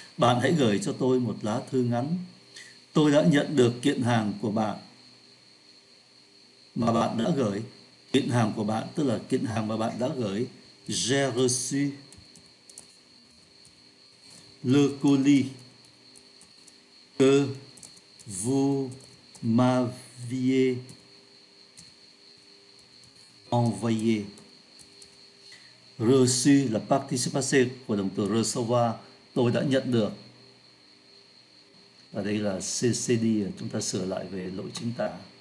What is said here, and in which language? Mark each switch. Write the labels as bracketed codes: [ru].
[vi] Bạn hãy gửi cho tôi một lá thư ngắn. Tôi đã nhận được kiện hàng của bạn, mà bạn đã gửi. Kiện hàng của bạn, tức là kiện hàng mà bạn đã gửi. [fr] J'ai reçu le colis que vous m'aviez envoyé. [vi] Reçu là participe passé của động từ recevoir, tôi đã nhận được. Ở đây là CCD, chúng ta sửa lại về lỗi chính tả.